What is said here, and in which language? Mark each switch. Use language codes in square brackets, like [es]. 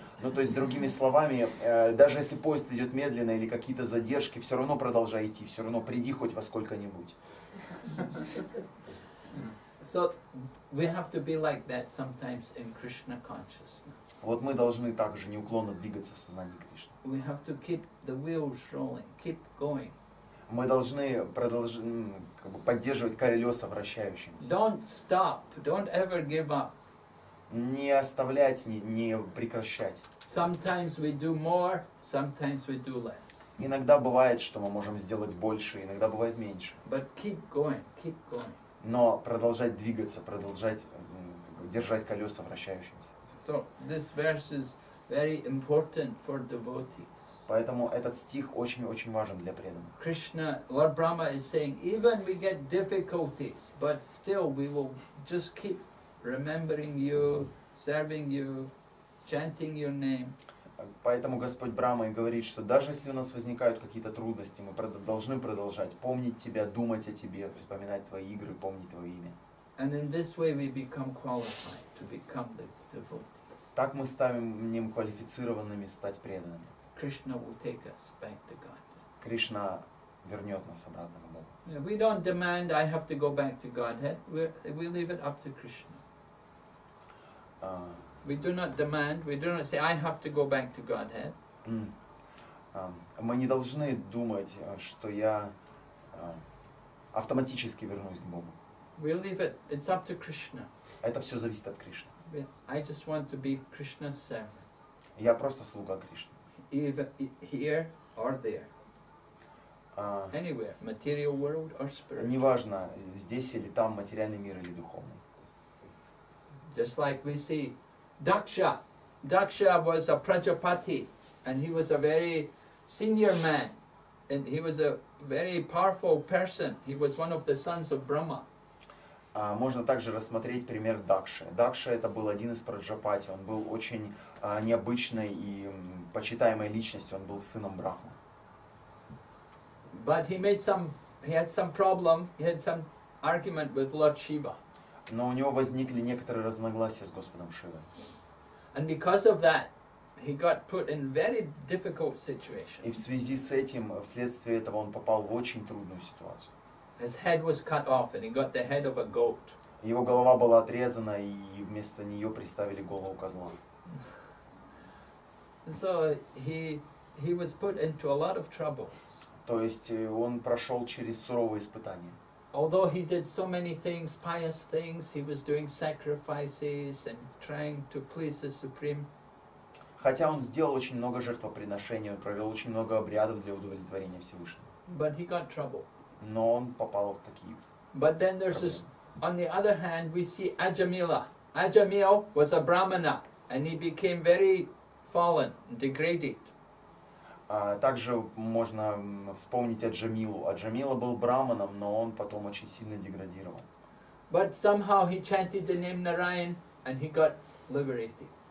[ru] Ну, то есть, другими словами, даже если поезд идет медленно или какие-то задержки, все равно продолжай идти, все равно приди хоть во сколько-нибудь. [en] So, we have to be like that sometimes in Krishna consciousness. [ru] Вот мы должны также неуклонно двигаться в сознании Кришны. [en] We have to keep the wheels rolling, keep going. [ru] Мы должны как бы поддерживать колеса вращающимися. [en] Don't stop. Don't ever give up. [ru] Не оставлять, не прекращать. [en] Sometimes we do more, sometimes we do less. [ru] Иногда бывает, что мы можем сделать больше, иногда бывает меньше. [en] But keep going, keep going. [ru] Но продолжать двигаться, продолжать держать колеса вращающимися. [en] So this verse is very important for devotees. [ru] Поэтому этот стих очень-очень важен для преданных. [en] Krishna, Lord Brahma is saying, even we get difficulties, but still we will just keep remembering you, serving you, chanting your name. [ru] Поэтому Господь Брама и говорит, что даже если у нас возникают какие-то трудности, мы должны продолжать помнить тебя, думать о тебе, вспоминать твои игры, помнить твое имя. [en] And in this way we become qualified to become the devotee. [ru] Так мы ставим ним квалифицированными стать преданными. [en] Krishna will take us back to God. [ru] Кришна вернёт нас обратно к Богу. [en] We don't demand I have to go back to Godhead. We leave it up to Krishna. We do not demand, we do not say I have to go back to Godhead. [ru] Мы не должны думать, что я автоматически вернусь к Богу. [en] We leave it, it's up to Krishna. [ru] Это всё зависит от Кришны. [en] I just want to be Krishna's servant. [ru] Я просто слуга Кришны. [en] Here or there, anywhere, material world or spiritual. [ru] Неважно, здесь или там, материальный мир или духовный. [en] Just like we see, Daksha. Daksha was a Prajapati, and he was a very senior man, and he was a very powerful person. He was one of the sons of Brahma. [ru] Можно также рассмотреть пример Дакши. Дакша это был один из Праджапати. Он был очень необычной и почитаемой личностью. Он был сыном Брахмы. [en] But he had some problem. He had some argument with Lord Shiva. [ru] Но у него возникли некоторые разногласия с Господом Шивой. [en] And because of that, He got put in very difficult situation. [ru] И в связи с этим, вследствие этого, он попал в очень трудную ситуацию. [en] His head was cut off, and he got the head of a goat. [ru] Его голова была отрезана, и вместо нее приставили голову козла. [en] So he was put into a lot of trouble. [ru] То есть он прошел через суровые испытания. [en] Although he did so many things, pious things, he was doing sacrifices and trying to please the Supreme. [ru] Хотя он сделал очень много жертвоприношений, он провел очень много обрядов для удовлетворения Всевышнего. [en] But he got trouble. [ru] Но он попал в такие. [en] But then there's This. On the other hand, we see Ajamila. Ajamil was a brahmana, and he became very fallen, degraded. [ru] Также можно вспомнить Аджамилу. Аджамила был брахманом, но он потом очень сильно деградировал. [en] But somehow he chanted the name Narayan, and he got liberated.